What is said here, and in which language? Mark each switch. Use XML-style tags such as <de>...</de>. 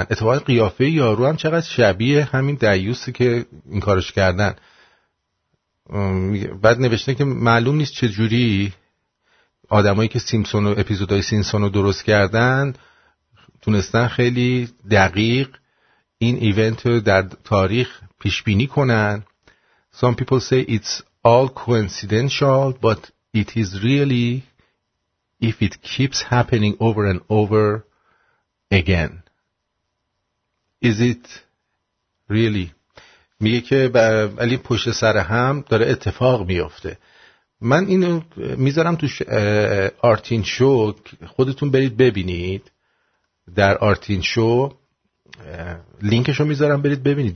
<fa>اتفاقا قیافه یارو هم چقدر شبیه همین دیوسی که این کارش کردن. بعد نوشته که معلوم نیست چه جوری آدمایی که سیمسون و اپیزودهای سیمسون رو درست کردن تونستن خیلی دقیق این ایونت رو در تاریخ پیش بینی کنن.</fa> <en>Some people say it's all coincidental, but it is really if it keeps happening over and over again. Is it really?</en> <fa>میگه که ولی پشت سر هم داره اتفاق میفته. من اینو میذارم تو آرتین شو، خودتون برید ببینید. در آرتین شو لینکشو میذارم، برید ببینید.</fa>